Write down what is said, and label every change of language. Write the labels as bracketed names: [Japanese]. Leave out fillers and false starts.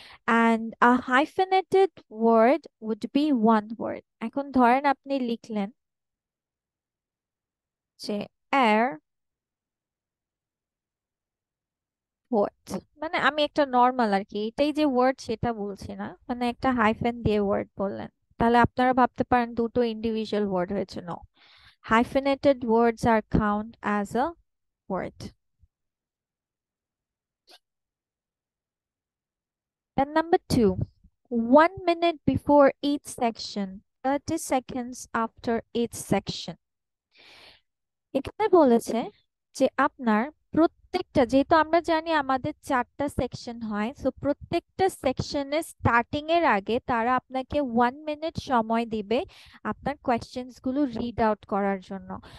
[English] and a hyphenated word would be one word, [Bangla] এখন ধরেন আপনি লিখলেন যে এয়ারপোর্ট, মানে আমি একটা নর্মাল আর কি, এটাই যে ওয়ার্ড সেটা বলছি না, মানে একটা হাইফেন দিয়ে ওয়ার্ড বললেন, তাহলে আপনারা ভাবতে পারেন দুটো ইন্ডিভিজুয়াল ওয়ার্ড হয়েছে, no, [English] Hyphenated words are count as a word. And number two, 1 minute before each section, 30 seconds after each section. [Bangla] এখানে বলেছে যে আপনার প্রত্যেকটা, যেহেতু আমরা জানি আমাদের চারটা সেকশন হয়, সো প্রত্যেকটা সেকশনে স্টার্টিং এর আগে তারা আপনাকে 1 মিনিট সময় দিবে আপনার কোয়েশ্চেন্স গুলো রিড আউট করার জন্য।